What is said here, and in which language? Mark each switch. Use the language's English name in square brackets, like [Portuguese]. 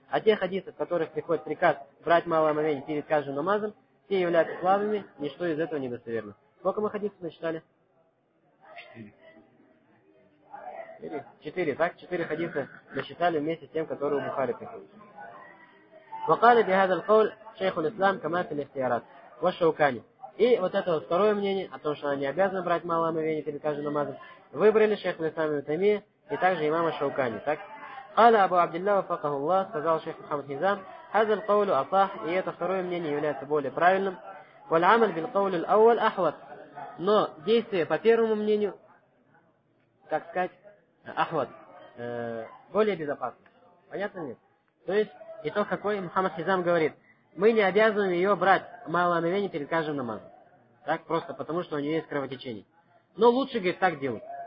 [Russian] А те хадисы, в которых приходит приказ брать малое омовение перед каждым намазом, все являются слабыми, ничто из этого не достоверно. Сколько мы хадисов начитали? Четыре. Так, четыре хадиса насчитали вместе с тем, которые у Бухари приходят. [Arabic] وقال بهذا القول شيخ الإسلام كما في الاختيارات والشوكان. [Russian] И вот это вот второе мнение о том, что она не обязана брать малое омовение перед каждым намазом, выбрали шейх Ислам ибн Таймия и также имам Шаукани. Так. [Arabic] قال أبو عبد الله وفقه الله [Russian] сказал шейх Мухаммад Хизам [Arabic] هذا القول أصح. [Russian] И это второе мнение является более правильным. [Arabic] والعمل بالقول الأول أحوط. [Russian] Но действие по первому мнению, как сказать, أحوط, более безопасно. Понятно ли? То есть и то, какой Мухаммад Хизам говорит, мы не обязаны ее брать малое омовение перед каждым намазом. Так, просто потому, что у нее есть кровотечение. Но лучше, говорит, так делать.